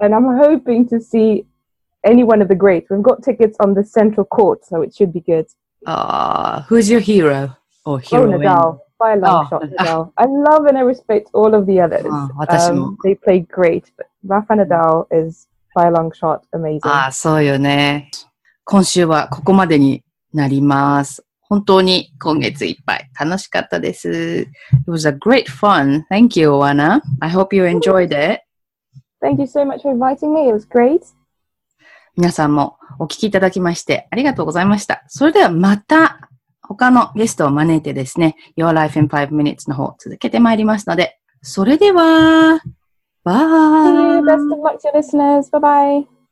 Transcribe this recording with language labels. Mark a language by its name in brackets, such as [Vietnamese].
[English] And I'm hoping to see any one of the greats. We've got tickets on the central court, so it should be good. Who's your hero? Nadal, by a long shot, Nadal. I love and I respect all of the others. They play great, but Rafa Nadal is by a long shot amazing. [Japanese] ああ、そうよね。今週はここまでになります。本当に今月いっぱい楽しかったです。 [English] It was a great fun. Thank you, Oana. I hope you enjoyed it. Thank you so much for inviting me. It was great. [Japanese] 皆さんもお聞きいただきましてありがとうございました。それではまた他のゲストを招いてですね、Your Life in 5 Minutes の方を続けてまいりますので、それでは、バイ。 [English] best of luck to your listeners. Bye bye.